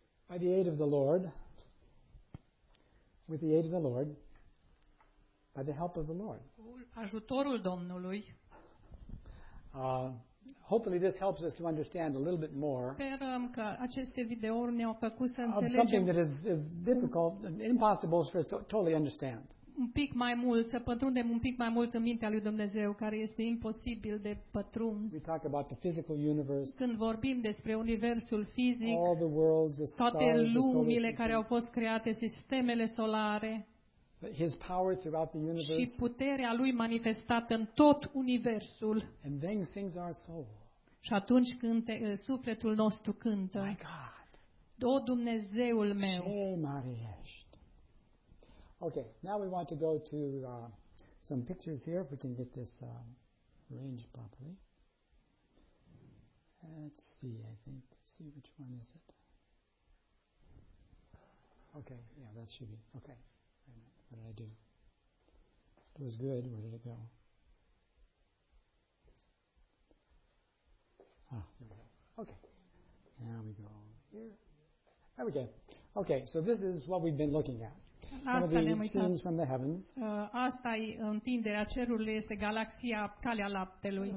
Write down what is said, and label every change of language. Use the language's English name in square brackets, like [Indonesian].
[English] By the aid of the Lord, with the aid of the Lord, by the help of the Lord. [Romanian] Ajutorul Domnului. [English] Hopefully this helps us to understand a little bit more. [Romanian] Sperăm că aceste videouri ne-au făcut să înțelegem. [English] Something that is difficult and impossible for us to totally understand. [Romanian] Un pic mai mult, să pătrundem un pic mai mult în mintea lui Dumnezeu, care este imposibil de pătruns. [English] We talk about the physical universe. [Romanian] Când vorbim despre universul fizic, [English] all the worlds, the stars, [Romanian] toate lumile care au fost create, sistemele solare, [English] His power throughout the universe, [Romanian] și puterea lui manifestată în tot universul. [English] And then sings our soul. [Romanian] Și atunci când sufletul nostru cântă. [English] My God. [Romanian] O, Dumnezeul meu. Ce mare ești. [English] Okay, now we want to go to some pictures here if we can get this arranged properly. Let's see, I think. Let's see which one is it. Okay, yeah, that should be. Okay. Wait a minute, what did I do? It was good. Where did it go? Ah, there we go. Okay. Now we go here. There we go. Okay, so this is what we've been looking at. One of the scenes from the heavens. [Romanian] Asta e întinderea cerului, este galaxia Calea Laptelui.